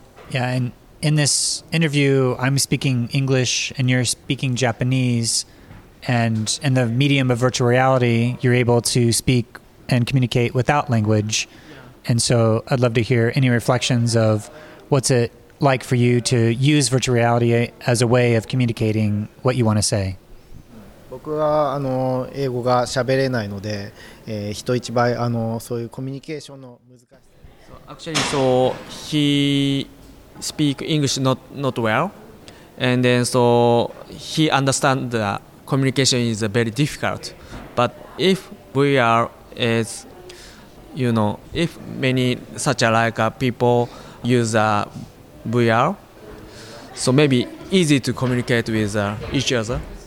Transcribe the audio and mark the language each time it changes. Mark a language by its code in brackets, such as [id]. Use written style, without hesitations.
[en] Yeah, and in this interview, I'm speaking English and you're speaking Japanese. And in the medium of virtual reality, you're able to speak and communicate without language. Yeah. And so I'd love to hear any reflections of what's it like for you to use virtual reality as a way of communicating what you want to say. [ja] 僕はあの英語が喋れないので、人一倍あのそういうコミュニケーションの難しさ。 [en] So, actually, so he speaks English not well, and then so he understands the communication is very difficult. But if VR is, you know, if many such a like people use VR, so maybe easy to communicate with each other.